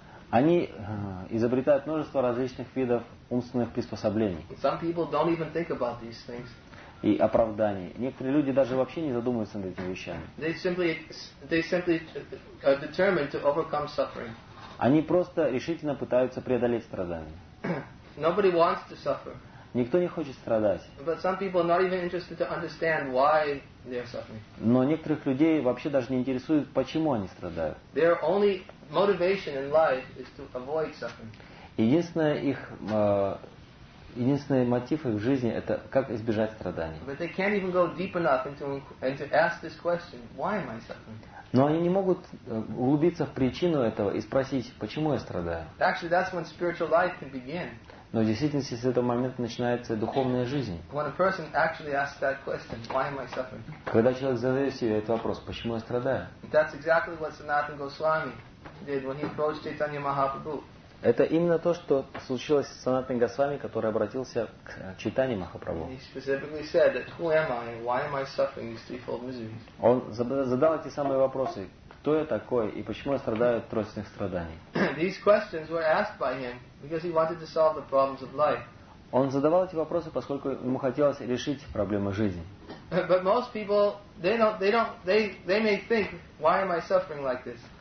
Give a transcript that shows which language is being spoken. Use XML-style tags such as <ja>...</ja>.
<ru>Они изобретают множество различных видов умственных приспособлений.</ru> <en>Some people don't even think about these things.</en> <ru>И оправданий. Некоторые люди даже вообще не задумываются над этими вещами.</ru> <en>They simply are determined to overcome suffering.</en> <ru>Они просто решительно пытаются преодолеть страдания.</ru> <en>Nobody wants to suffer.</en> <ru>Никто не хочет страдать.</ru> <en>But some people are not even interested to understand why they are suffering.</en> <ru>Но некоторых людей вообще даже не интересует, почему они страдают.</ru> <en>Their only motivation in life is to avoid suffering.</en> <ru>Единственный мотив их в жизни это как избежать страданий.</ru> <en>But they can't even go deep enough into ask this question: why am I suffering?</en> <ru>Но они не могут углубиться в причину этого и спросить, почему я страдаю.</ru> <en>Actually, that's when spiritual life can begin.</en> <ru>Но в действительности с этого момента начинается духовная жизнь.</ru> <en>When a person actually asks that question, why am I suffering?</en> <ru>Когда человек задает себе этот вопрос, почему я страдаю?</ru> <en>That's exactly what Sanatan Goswami did when he approached Chaitanya Mahaprabhu.</en> <ru>Это именно то, что случилось с Санатаной Госвами, который обратился к Чайтанье Махапрабху.</ru> <en>He specifically said that, who am I and why am I suffering these threefold miseries?</en> <ru>Он задал эти самые вопросы: кто я такой и почему я страдаю от тройственных страданий?</ru> <en>These questions were asked by him because he wanted to solve the problems of life.</en> <ru>Он задавал эти вопросы, поскольку ему хотелось решить проблемы жизни.</ru> <en>But most people they may think, why am I suffering like this?</en>